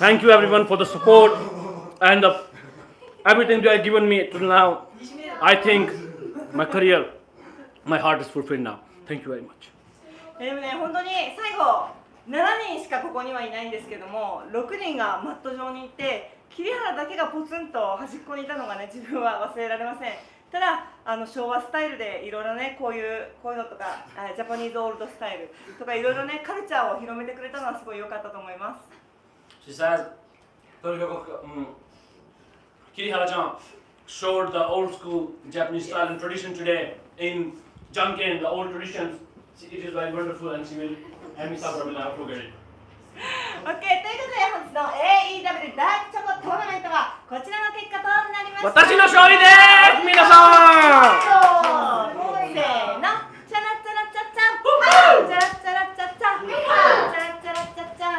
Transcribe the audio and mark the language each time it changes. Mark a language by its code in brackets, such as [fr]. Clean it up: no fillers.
[en] Thank you everyone for the support and the everything you have given me till now. I think my career, my heart is fulfilled now. Thank you very much. [ja] でもね、本当に最後7人しかここにはいないんですけども、6人がマット上にいて、桐原だけがポツンと端っこにいたのがね、自分は忘れられません。ただあの昭和スタイルでいろいろね、こういうのとか、ジャパニーズオールドスタイルとかいろいろね、カルチャーを広めてくれたのはすごい良かったと思います。 [en] She says, [ja] とにかく、 [en] 桐原ちゃん showed the old school Japanese style and tradition today in Junkin, the old traditions. It is very wonderful and she will help me suffer when I forget it. [ja] OK、ということで本日の AEW ダークチョコトーナメントはこちらの結果となりました。私の勝利でーす、皆さん。せーの、チャラチャラチャチャ、フフチャラチャラチャチャ、